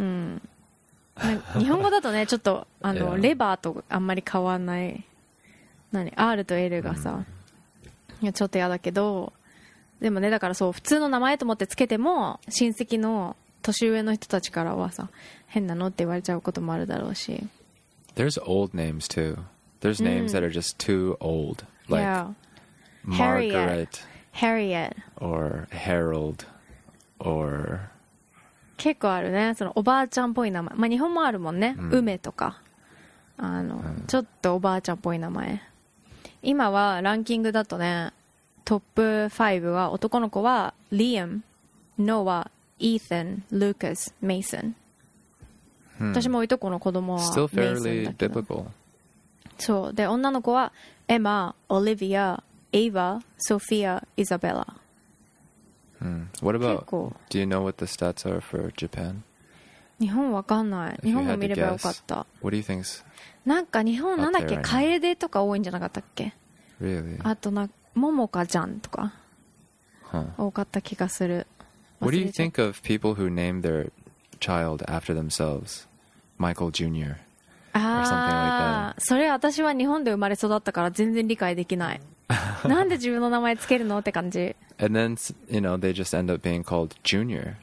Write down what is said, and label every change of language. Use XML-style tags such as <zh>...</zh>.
<ja>うん、ん日本語だとねちょっとあのレバーとあんまり変わんない、何 R と L がさ、うん、いやちょっと嫌だけど、でもねだからそう普通の名前と思ってつけても親戚の年上の人たちからはさ変なのって言われちゃうこともあるだろうし。</ja> <en>There's old names too. There's names、うん、that are just too old. Like、 yeah. Margaret Harriet. Harriet or Harold or</en> <ja>結構あるね、そのおばあちゃんっぽい名前、まあ、日本もあるもんね、うん、梅とかあの、うん、ちょっとおばあちゃんっぽい名前。今はランキングだとねトップ5は男の子は Liam、 Noah、Ethan、Lucas、Mason、hmm. 私もいとこの子供は</ja> <en>Still fairly biblical.</en> <ja>そうで女の子は Emma、Olivia、Ava、Sophia、Isabella、 hmm.</ja> <en>What about Do you know what the stats are for Japan?</en> <ja>日本わかんない。日本も見ればよかった。</ja> <en>What do you think?</en> <ja>なんか日本なんだっけ、カエデとか多いんじゃなかったっけ、</ja> <en>really?</en> <ja>あとなんかモモカちゃんとか、 huh. 多かった気がする。</ja> <en>What do you think of people who name their child after themselves? Michael Jr. or something like that.</en> <ja>それ私は日本で生まれ育ったから全然理解できない。なんで自分の名前つけるのって感じ。</ja> <en>And then, you know, they just end up being called Junior.</en>